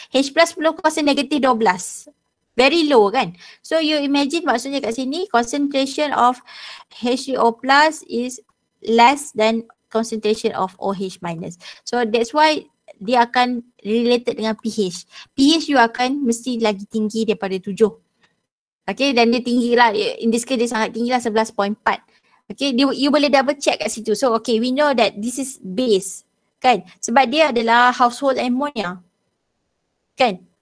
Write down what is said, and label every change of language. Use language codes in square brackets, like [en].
[en] H plus [ms] pun kuasa [en] negative 12. Very low kan. So you imagine [ms] maksudnya kat sini [en] concentration of H2O plus is less than concentration of OH minus. So that's why [ms] dia akan [en] related [ms] dengan [en] pH. [ms] pH you akan mesti lagi tinggi daripada 7. Okay, dan dia tinggi lah. [en] In this case [ms] dia sangat tinggi lah, 11.4. Okay, you boleh [en] double check [ms] kat situ. [en] So okay, we know that this is base kan. [ms] Sebab dia adalah household ammonia kan.